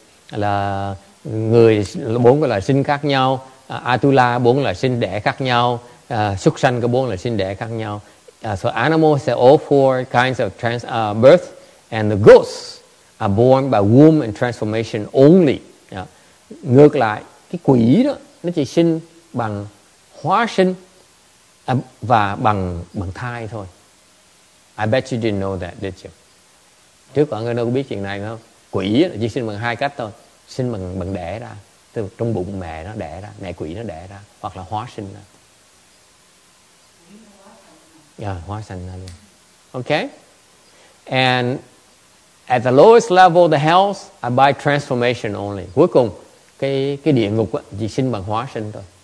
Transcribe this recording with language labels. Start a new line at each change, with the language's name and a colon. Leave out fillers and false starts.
Vietnamese: Là người bốn loại sinh khác nhau, Atula bốn loại sinh đẻ khác nhau, súc sanh có bốn loại sinh đẻ khác nhau.
English: So animals have all four kinds of birth, and the ghosts are born by womb and transformation only.
Vietnamese: Ngược lại, cái quỷ đó nó chỉ sinh bằng hóa sinh và bằng thai thôi.
English: I bet you didn't know that, did you?
Vietnamese: Trước mọi người đâu có biết chuyện này không? Quỷ đó chỉ sinh bằng hai cách thôi, sinh bằng đẻ ra, từ trong bụng mẹ nó đẻ ra, mẹ quỷ nó đẻ ra, hoặc là hóa sinh ra. Yeah, hóa sinh ra luôn. Okay?
English: And at the lowest level, the hells are by transformation only.
Vietnamese: Cuối cùng cái địa ngục á chỉ sinh bằng hóa sinh thôi.